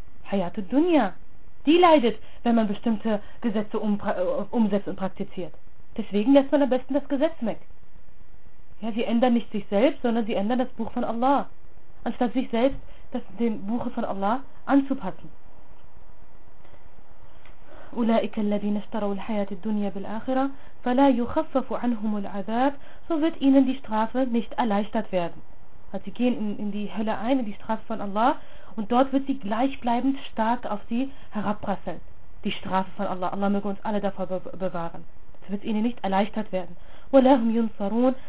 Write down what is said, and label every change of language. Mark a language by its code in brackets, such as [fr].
[de] Hayat al-Dunya, die leidet, wenn man bestimmte Gesetze umsetzt und praktiziert. Deswegen lässt man am besten das Gesetz weg. Ja, sie ändern nicht sich selbst, sondern sie ändern das Buch von Allah, anstatt sich selbst dem Buch von Allah anzupassen. [ar] أولئك الذين اشتروا الحياة الدنيا بالآخرة فلا يخفف عنهم العذاب. [de] So wird ihnen die Strafe nicht erleichtert werden. Also sie gehen in die Hölle ein, in die Strafe von Allah, und dort wird sie gleichbleibend stark auf sie herabprasseln, die Strafe von Allah. Allah möge uns alle davor bewahren. Es wird ihnen nicht erleichtert werden. [ar] وَلَهُمْ يُنْصَرُونَ.